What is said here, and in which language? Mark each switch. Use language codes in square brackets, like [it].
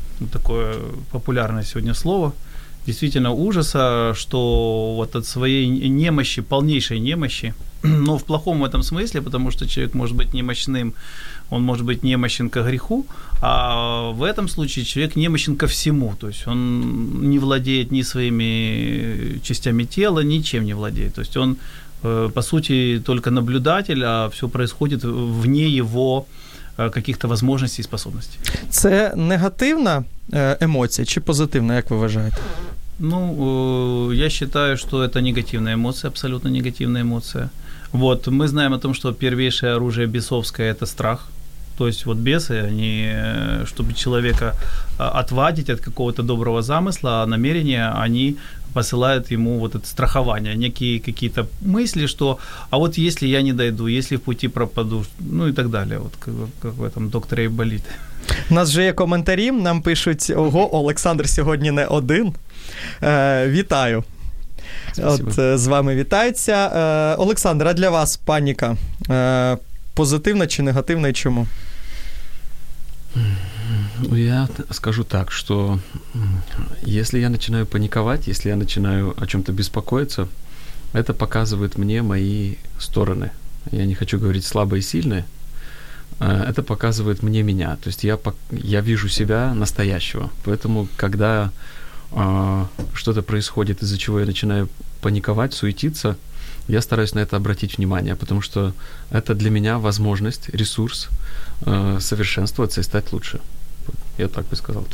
[ru] Вот такое популярное сегодня слово. Действительно ужаса, что вот от своей немощи, полнейшей немощи, но в плохом этом смысле, потому что человек может быть немощным, он может быть немощен ко греху, а в этом случае человек немощен ко всему, то есть он не владеет ни своими частями тела, ничем не владеет, то есть он, по сути, только наблюдатель, а все происходит вне его каких-то возможностей и способностей. [uk] Це негативна емоція чи позитивна, як ви вважаєте? [ru] Ну, я считаю, что это негативная эмоция, абсолютно негативная эмоция. Вот, мы знаем о том, что первейшее оружие бесовское – это страх. То есть вот бесы, они, чтобы человека отвадить от какого-то доброго замысла, намерения, они посылают ему вот это страхование, некие какие-то мысли, что «а вот если я не дойду, если в пути пропаду», ну и так далее, вот как в этом докторе Ейболит. [uk] У нас же є коментарі, нам пишуть: «Ого, Олександр сьогодні не один». Вітаю. [ru] Спасибо. [uk] От з вами вітається. Олександр, а для вас паніка позитивна чи негативна, і чому? [ru] Я скажу так, что если я начинаю паниковать, если я начинаю о чем-то беспокоиться, это показывает мне мои стороны. Я не хочу говорить слабые и сильные. Это показывает мне меня. То есть я вижу себя настоящего. Поэтому, когда что-то происходит, из-за чего я начинаю паниковать, суетиться, я стараюсь на это обратить внимание, потому что это для меня возможность, ресурс совершенствоваться и стать лучше. Я так бы сказал.